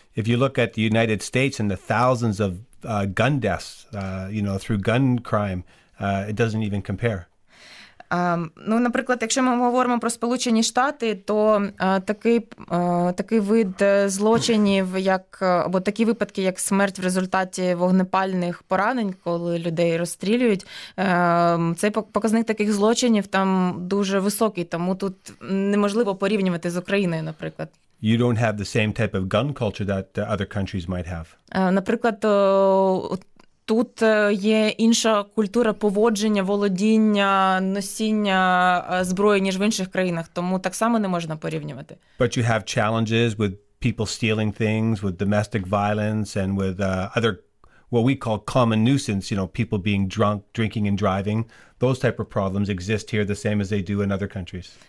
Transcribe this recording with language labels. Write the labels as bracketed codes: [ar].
[en] If you look at the United States and the thousands of gun deaths, you know, through gun crime, it doesn't even compare. [uk] Ну, наприклад, якщо ми говоримо про Сполучені Штати, то такий вид злочинів, як або такі випадки, як смерть в результаті вогнепальних поранень, коли людей розстрілюють, цей показник таких злочинів там дуже високий, тому тут неможливо порівнювати з Україною, наприклад. [en] You don't have the same type of gun culture that other countries might have. [uk] Наприклад, тут є інша культура поводження, володіння, носіння зброї, ніж в інших країнах, тому так само не можна порівнювати. [en] But you have challenges with people stealing things, with domestic violence and with other what we call common nuisance, you know, people being drunk, drinking and driving. Those type of problems exist here the same as they do in other countries.